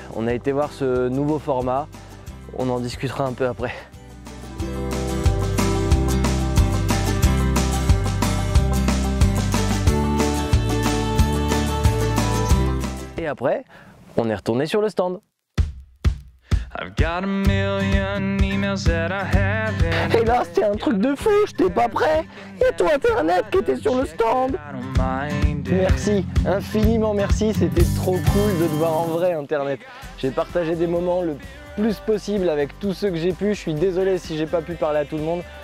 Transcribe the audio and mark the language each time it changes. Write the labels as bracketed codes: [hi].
[fr] On a été voir ce nouveau format, on en discutera un peu après. Et après, On est retourné sur le stand. [en] I've got a million emails that I have. [fr] Et là, c'était un truc de fou, j'étais pas prêt. Et toi, Internet, qui était sur le stand. Merci, infiniment merci, c'était trop cool de te voir en vrai, Internet. J'ai partagé des moments le plus possible avec tous ceux que j'ai pu. Je suis désolé si j'ai pas pu parler à tout le monde.